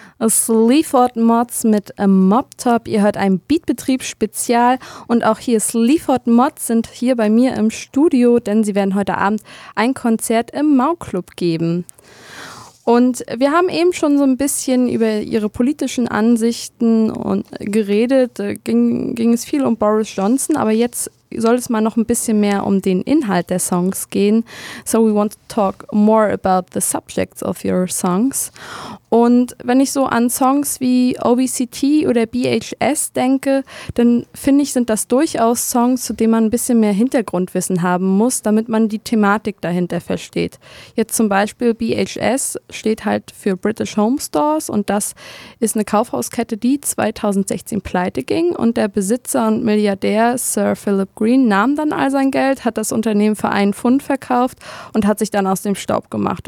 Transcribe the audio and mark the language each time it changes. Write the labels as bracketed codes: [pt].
[de] Sleaford Mods mit a Mop Top. Ihr hört ein Beatbetrieb Spezial und auch hier Sleaford Mods sind hier bei mir im Studio, denn sie werden heute Abend ein Konzert im Mau Club geben. Und wir haben eben schon so ein bisschen über ihre politischen Ansichten und geredet. Ging es viel um Boris Johnson, aber jetzt soll es mal noch ein bisschen mehr um den Inhalt der Songs gehen. [en] So we want to talk more about the subjects of your songs. [de] Und wenn ich so an Songs wie OBCT oder BHS denke, dann finde ich, sind das durchaus Songs, zu denen man ein bisschen mehr Hintergrundwissen haben muss, damit man die Thematik dahinter versteht. Jetzt zum Beispiel BHS steht halt für British Home Stores und das ist eine Kaufhauskette, die 2016 pleite ging und der Besitzer und Milliardär Sir Philip Green nahm dann all sein Geld, hat das Unternehmen für einen Pfund verkauft und hat sich dann aus dem Staub gemacht.